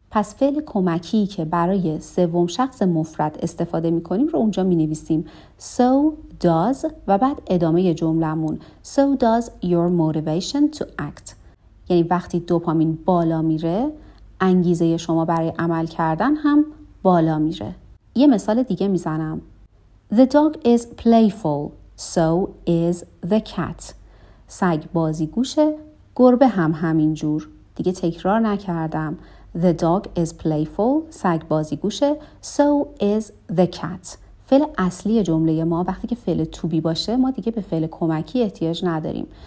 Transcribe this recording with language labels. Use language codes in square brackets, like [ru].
[fa] پس فعل کمکی که برای سوم شخص مفرد استفاده میکنیم رو اونجا مینویسیم. [en] So does [fa] و بعد ادامه جملمون. [en] So does your motivation to act. [fa] یعنی وقتی دوپامین بالا میره، انگیزه شما برای عمل کردن هم بالا میره. یه مثال دیگه میزنم. [en] The dog is playful, so is the cat. [fa] سگ بازی گوشه، گربه هم همینجور. دیگه تکرار نکردم. [en] The dog is playful, [fa] سگ بازی گوشه, [en] so is the cat. [fa] فعل اصلی جمله ما وقتی که فعل to be باشه ما دیگه به فعل کمکی احتیاج نداریم.